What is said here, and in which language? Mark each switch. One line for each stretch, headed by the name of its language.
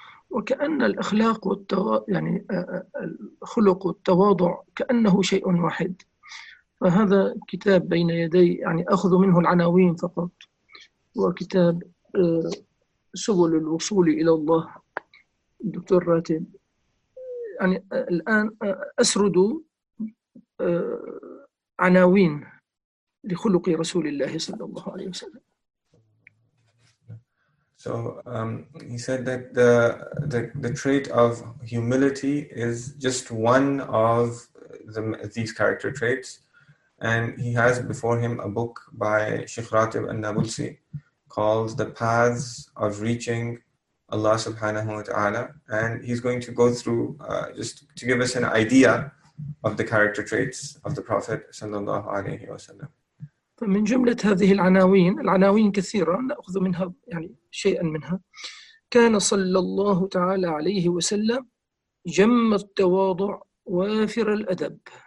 Arabic: وكأن الأخلاق يعني الخلق والتواضع كأنه شيء واحد، فهذا كتاب بين يدي يعني أخذ منه العناوين فقط، وكتاب سبل الوصول إلى الله دكتور راتب، يعني الآن أسرد عناوين لخلق رسول الله صلى الله عليه وسلم.
English: So he said that the trait of humility is just one of these character traits, and he has before him a book by Sheikh Ratib al-Nablusi called The Paths of Reaching Allah
Arabic: Subhanahu wa Ta'ala,
English: and he's going to go through just to give us an idea of the character traits of the Prophet
Arabic: sallallahu alaihi wasallam. فمن جملة هذه العناوين، العناوين كثيرة نأخذ منها يعني شيئا منها، كان صلى الله تعالى عليه وسلم جم التواضع وافر الأدب.